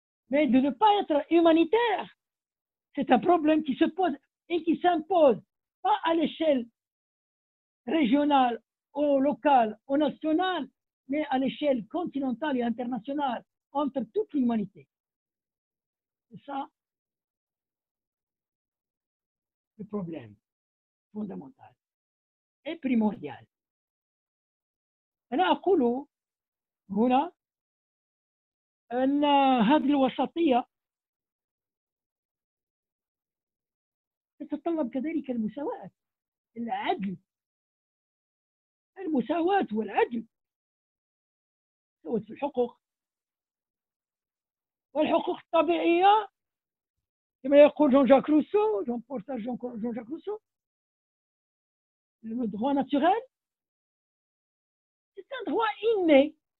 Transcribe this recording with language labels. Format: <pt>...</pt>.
<fr>Mais de ne pas être humanitaire, c'est un problème qui se pose et qui s'impose, pas à l'échelle régionale, au local, au national, mais à l'échelle continentale et internationale, entre toute l'humanité. C'est ça le problème fondamental. Et primordial. Alors, je dis ici que cette</fr> <ar>الوسطية تتطلب كذلك المساواة، العدل، المساواة والعدل، سواء في الحقوق والحقوق الطبيعية كما يقول جون-جاك روسو، جون بورتر جون-جاك روسو.</ar> <fr>Le droit naturel, c'est un droit inné.</fr>